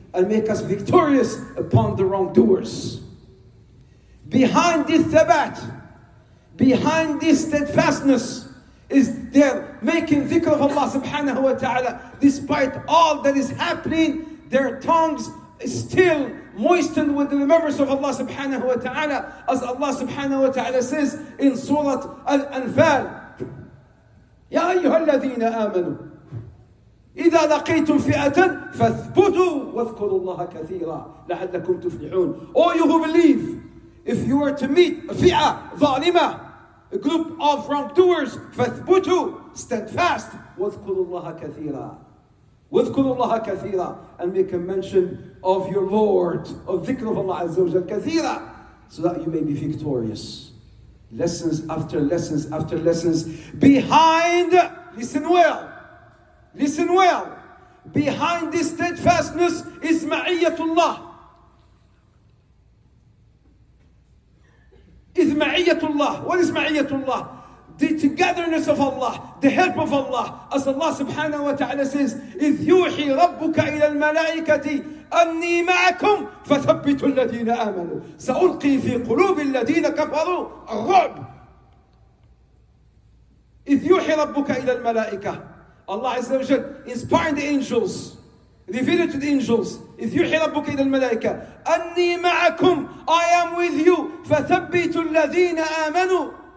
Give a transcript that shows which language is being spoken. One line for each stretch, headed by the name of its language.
English: And make us victorious upon the wrongdoers. Behind this thabat, behind this steadfastness, is they're making dhikr of Allah subhanahu wa ta'ala. Despite all that is happening, their tongues still moistened with the remembrance of Allah subhanahu wa ta'ala. As Allah subhanahu wa ta'ala says in Surah Al-Anfal,
Arabic: يَا أَيُّهَا الَّذِينَ آمَنُوا إذا لقيتم فئة فاثبتوا واذكروا الله كثيرا لعلكم تفلحون.
English: Oh, you who believe, if you were to meet a fi'a,
Arabic: ظالمة,
English: a group of wrongdoers,
Arabic: فاثبتوا,
English: stand fast,
Arabic: واذكروا الله كثيرا, واذكروا الله كثيرا,
English: and make a mention of your Lord, of ذكر of Allah
Arabic: عز وجل كثيرا,
English: so that you may be victorious. Lessons after lessons after lessons. Behind, listen well, listen well, behind this steadfastness is ma'iyyatullah. Is ma'iyyatullah. What is ma'iyyatullah? The togetherness of Allah, the help of Allah. As Allah subhanahu wa ta'ala says,
Arabic: إِذْ يُوحِي رَبُّكَ إِلَى الْمَلَائِكَةِ أَنِّي مَعَكُمْ فَثَبِّتُوا الَّذِينَ آمَنُوا سَأُلْقِي فِي قُلُوبِ الَّذِينَ كَفَرُوا الرُّعْب. إِذْ يُوحِي رَبُّكَ إِلَى الْمَلَائِكَةِ.
English: Allah Azza wa Jal inspired the angels, revealed to the angels,
Arabic: إِذْ يُوحِي رَبُّكَ إِلَى الْمَلَائِكَةِ أَنِّي مَعَكُمْ,
English: I am with you,
Arabic: فَثَبِّتُ الَّذِينَ آمَنُوا.